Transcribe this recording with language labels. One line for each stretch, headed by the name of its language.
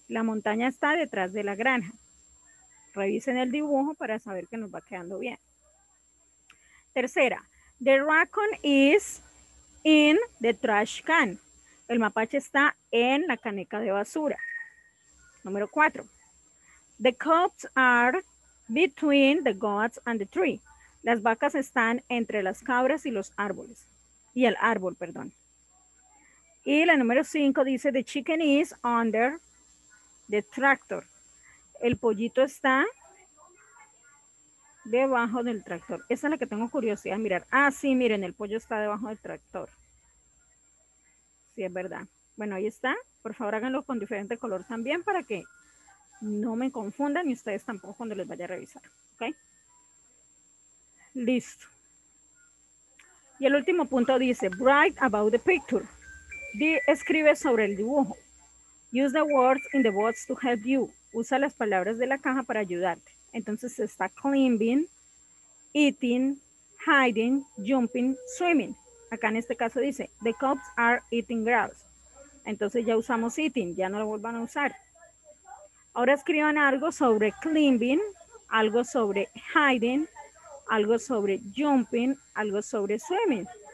Spanish: La montaña está detrás de la granja. Revisen el dibujo para saber que nos va quedando bien. Tercera.
English: The raccoon is in the trash can.
Spanish: El mapache está en la caneca de basura. Número 4.
English: The cows are between the goats and the tree.
Spanish: Las vacas están entre las cabras y los árboles. Y el árbol, perdón. Y la número 5 dice,
English: the chicken is under the tractor.
Spanish: El pollito está debajo del tractor. Esa es la que tengo curiosidad de mirar. Ah, sí, miren, el pollo está debajo del tractor. Sí, es verdad. Bueno, ahí está. Por favor, háganlo con diferente color también para que no me confundan y ustedes tampoco cuando les vaya a revisar. ¿Ok? Listo. Y el último punto dice,
English: write about the picture.
Spanish: Escribe sobre el dibujo.
English: Use the words in the box to help you.
Spanish: Usa las palabras de la caja para ayudarte. Entonces está
English: climbing, eating, hiding, jumping, swimming.
Spanish: Acá en este caso dice,
English: the cubs are eating grass.
Spanish: Entonces ya usamos eating, ya no lo vuelvan a usar. Ahora escriban algo sobre climbing, algo sobre hiding, algo sobre jumping, algo sobre swimming.